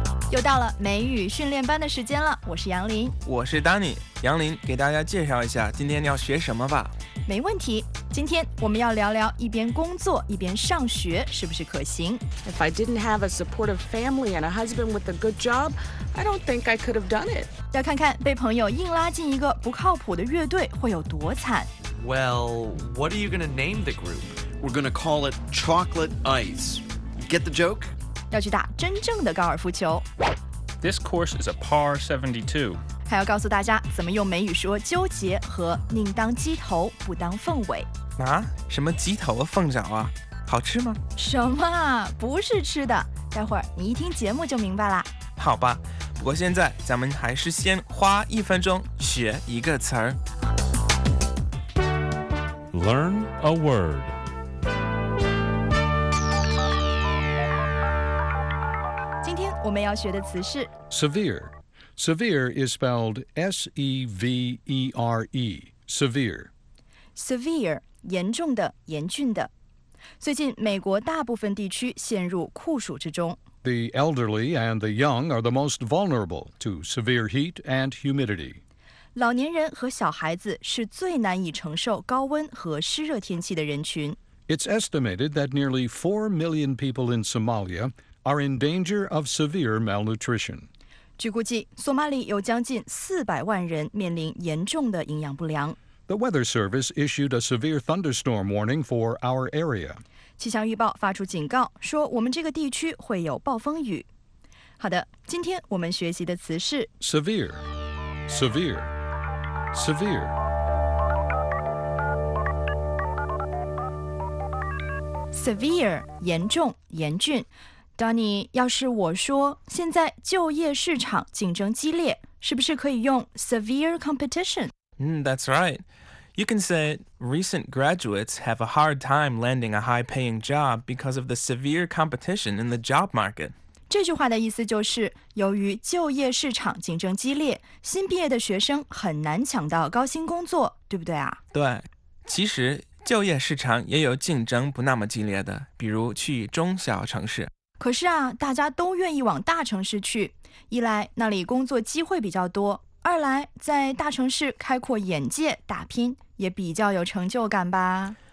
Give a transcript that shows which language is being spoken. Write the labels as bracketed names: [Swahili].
[Chinese] 又到了美语训练班的时间了，我是杨林，我是 Danny。杨林，给大家介绍一下今天要学什么吧。没问题，今天我们要聊聊一边工作一边上学是不是可行。 [English] If I didn't have a supportive family and a husband with a good job, I don't think I could have done it. [Chinese] 要看看被朋友硬拉进一个不靠谱的乐队会有多惨。 [English] Well, what are you going to name the group? We're going to call it Chocolate Ice. Get the joke? [Chinese] 要去打真正的高尔夫球。 [English] This course is a par 72. [Chinese] 还要告诉大家怎么用美语说纠结和宁当鸡头不当凤尾。啊？什么鸡头啊凤爪啊？好吃吗？什么？不是吃的。待会儿你一听节目就明白了。好吧，不过现在咱们还是先花一分钟学一个词儿。 [English] Learn a word. [Chinese] 我们要学的词是 [English] severe. Severe is spelled S-E-V-E-R-E. Severe. [Chinese] Severe, 严重的，严峻的。最近美国大部分地区陷入酷暑之中。 [English] The elderly and the young are the most vulnerable to severe heat and humidity. [Chinese] 老年人和小孩子是最难以承受高温和湿热天气的人群。 [English] It's estimated that nearly 4 million people in Somalia. are in danger of severe malnutrition. [Chinese] 据估计，索马里有将近400万人面临严重的营养不良。 [English] The Weather Service issued a severe thunderstorm warning for our area. [Chinese] 气象预报发出警告，说我们这个地区会有暴风雨。好的，今天我们学习的词是 [English] severe, severe, severe. [Chinese] Severe, 严重，严峻。Danny, 要是我说现在就业市场竞争激烈，是不是可以用 severe competition? [English] That's right. You can say recent graduates have a hard time landing a high-paying job because of the severe competition in the job market. [Chinese] 这句话的意思就是，由于就业市场竞争激烈，新毕业的学生很难抢到高薪工作，对不对啊？对，其实就业市场也有竞争不那么激烈的，比如去中小城市。可是啊，大家都愿意往大城市去，一来那里工作机会比较多，二来在大城市开阔眼界打拼也比较有成就感吧。